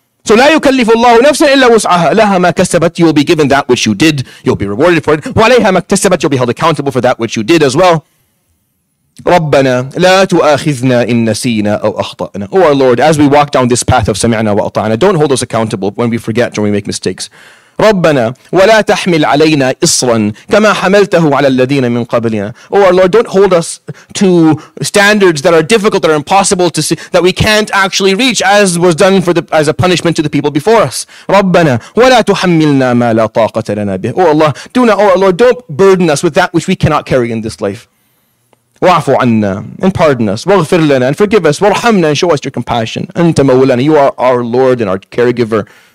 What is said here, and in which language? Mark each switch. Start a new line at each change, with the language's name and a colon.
Arabic: So لا يكلف الله نفسا إلا وسعها لها ما كسبت.
English: You will be given that which you did. You'll be rewarded for it.
Arabic: وعليها ما اكتسبت.
English: You'll be held accountable for that which you did as well.
Arabic: ربنا لا تؤاخذنا إن نسينا أو أخطأنا.
English: Oh our Lord, as we walk down this path of
Arabic: سمعنا وأطعنا,
English: don't hold us accountable when we forget or we make mistakes.
Arabic: ربنا ولا تحمل علينا إصرا كما حملته على الذين من قبلنا.
English: Oh our Lord, don't hold us to standards that are difficult, that are impossible to see, that we can't actually reach, as was done as a punishment to the people before us.
Arabic: ربنا ولا تحملنا ما لا طاقة لنا به.
English: Oh Allah, do not, oh our Lord, don't burden us with that which we cannot carry in this life.
Arabic: وعفو عنا,
English: and pardon us.
Arabic: واغفر لنا,
English: and forgive us.
Arabic: وارحمنا,
English: and show us your compassion.
Arabic: أنت مولانا,
English: you are our Lord and our caregiver.